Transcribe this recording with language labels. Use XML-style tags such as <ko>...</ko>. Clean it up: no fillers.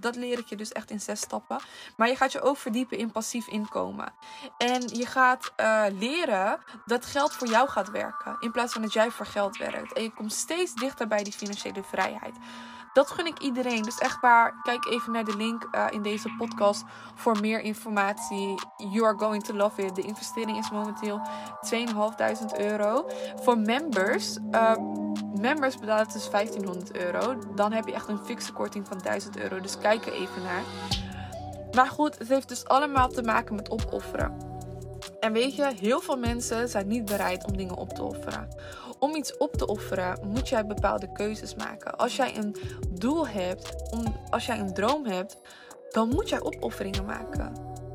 <nl>Dat leer ik je dus echt in 6 stappen. Maar je gaat je ook verdiepen in passief inkomen. En je gaat leren dat geld voor jou gaat werken in plaats van dat jij voor geld werkt. En je komt steeds dichter bij die financiële vrijheid. Dat gun ik iedereen. Dus echt waar, kijk even naar de link in deze podcast voor meer informatie.</nl> <en>You are going to love it.</en> <nl>De investering is momenteel 2.500 euro. Voor members, members betalen dus 1.500 euro. Dan heb je echt een fixe korting van 1.000 euro. Dus kijk er even naar. Maar goed, het heeft dus allemaal te maken met opofferen. En weet je, heel veel mensen zijn niet bereid om dingen op te offeren. Om iets op te offeren moet jij bepaalde keuzes maken. Als jij een doel hebt, als jij een droom hebt, dan moet jij opofferingen maken.</nl>